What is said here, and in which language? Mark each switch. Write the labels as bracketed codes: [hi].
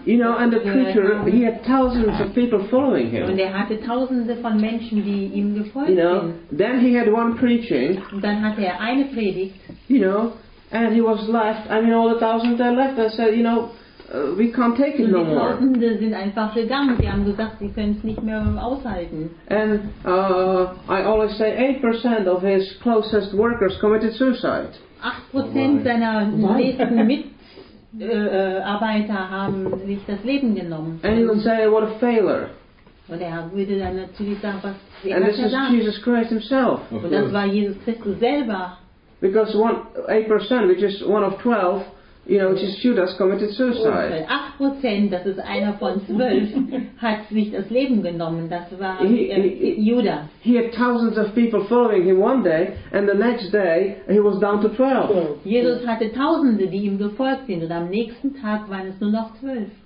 [en] You know, and the preacher, he had thousands of people following him. [de] Und er hatte Tausende von Menschen, die ihm gefolgt sind. [en] You know, then he had one preaching. [de] Und dann hatte er eine Predigt. [en] You know, and he was left. I mean, all the thousands are left. I said, you know, we can't take it no more. [de] Die Tausende sind einfach gegangen. Sie haben gesagt, sie können es nicht mehr aushalten. [en] And I always say, 8% of his closest workers committed suicide. [de] 8% seiner nächsten Mitarbeiter haben sich das Leben genommen. [en] And you'll say, what a failure. [de] Und er würde dann natürlich sagen, was [en] And this is Jesus Christ himself. [de] Und das war Jesus Christus selber. [en] Because 8%, which is one of 12, you know, which is Judas, committed suicide. [de] 8%, das ist einer von 12, hat sich das Leben genommen. Das war Judas. [en] He had thousands of people following him one day, and the next day he was down to 12. [de] Jesus hatte Tausende, die ihm gefolgt sind, und am nächsten Tag waren es nur noch 12.